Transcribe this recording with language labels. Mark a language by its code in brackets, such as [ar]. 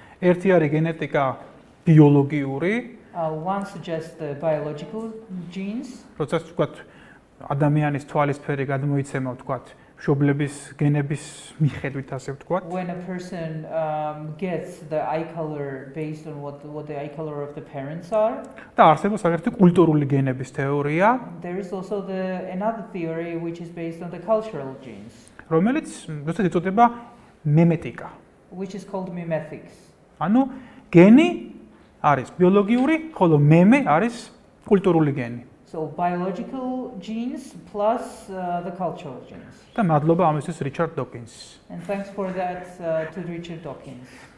[ka] ერთი არის გენეტიკა ბიოლოგიური. [en] One suggests the biological genes. [ka] როგორც ვთქვათ, ადამიანის თვალისფერი გადმოიცემა, ვთქვათ, შობლების გენების მიხედვით, ასე ვთქვათ. [en] When a person gets the eye color based on what the eye color of the parents are. [ka] და არსებობს აგრეთვე კულტურული გენების თეორია. [en] There is also another theory which is based on the cultural genes. [ka] რომელიც ზუსტად ეწოდება მიმეტიკა. [en] Which is called mimetics. [ka] ანუ გენი არის ბიოლოგიური, ხოლო მემე არის კულტურული გენი. [en] So biological genes plus the cultural genes. [ka] და მადლობა ამისთვის რიჩარდ დოკინს. [en] And thanks for that to Richard Dawkins.